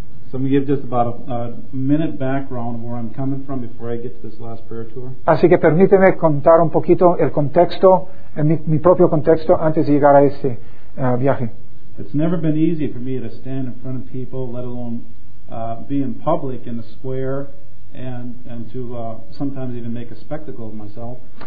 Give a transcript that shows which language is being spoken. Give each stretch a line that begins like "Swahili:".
English: So I'm going to give just about a minute background where I'm coming from before I get to this last prayer tour.
Spanish: Así que permíteme contar un poquito el contexto, mi propio contexto antes de llegar a este viaje.
English: It's never been easy for me to stand in front of people, let alone be in public in the square and to sometimes even make a spectacle of myself.